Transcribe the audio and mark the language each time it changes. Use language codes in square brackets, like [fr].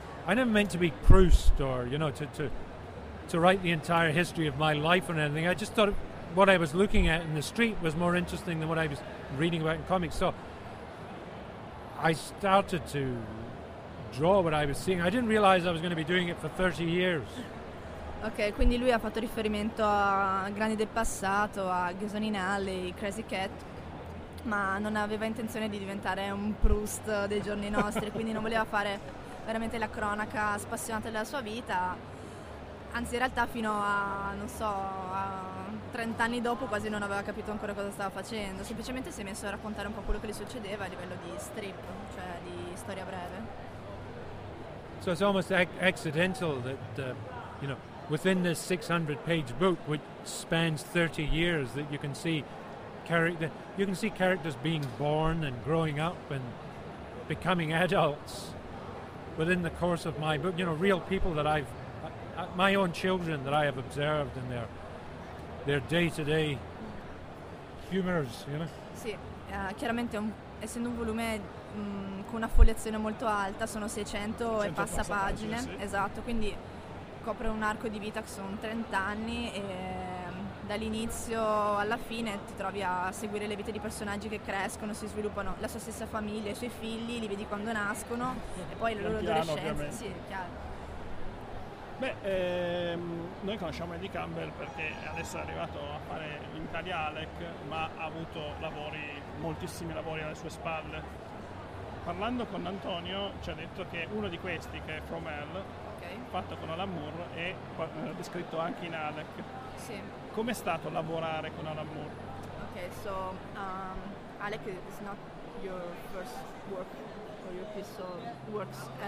[en] I never meant to be Proust or, you know, to write the entire history of my life or anything. I just thought what I was looking at in the street was more interesting than what I was reading about in comics. So I started to draw what I was seeing. I didn't realize I was going to be doing it for 30 years. [it] Ok, quindi lui ha fatto riferimento a Grandi del Passato, a Gasoline Alley, Crazy Cat, ma non aveva intenzione di diventare un Proust dei giorni nostri, quindi non voleva fare veramente la cronaca spassionata della sua vita, anzi in realtà fino a, non so, a 30 anni dopo quasi non aveva capito ancora cosa stava facendo, semplicemente si è messo a raccontare un po' quello che gli succedeva a livello di strip, cioè di storia breve. [en] So it's almost accidental that, you know, within this 600-page book, which spans 30 years, that you can see characters being born and growing up and becoming adults within the course of my book. You know, real people that I've, my own children that I have observed in their day-to-day humors. You know. [it] Sì, chiaramente essendo un volume con una fogliazione molto alta, sono 600 e passa pagine. Sì. Esatto, quindi copre un arco di vita che sono 30 anni e dall'inizio alla fine ti trovi a seguire le vite di personaggi che crescono, si sviluppano, la sua stessa famiglia, i suoi figli, li vedi quando nascono e poi la loro adolescenza. Sì, chiaro. Beh, noi conosciamo Eddie Campbell perché adesso è arrivato a fare in Italia Alec, ma ha avuto lavori, moltissimi lavori alle sue spalle. Parlando con Antonio ci ha detto che uno di questi, che è From Hell, fatto con Alan Moore, e descritto anche in Alec. Sì. Com'è stato lavorare con Alan Moore? [en] Ok, so Alec is not your first work or your piece of works.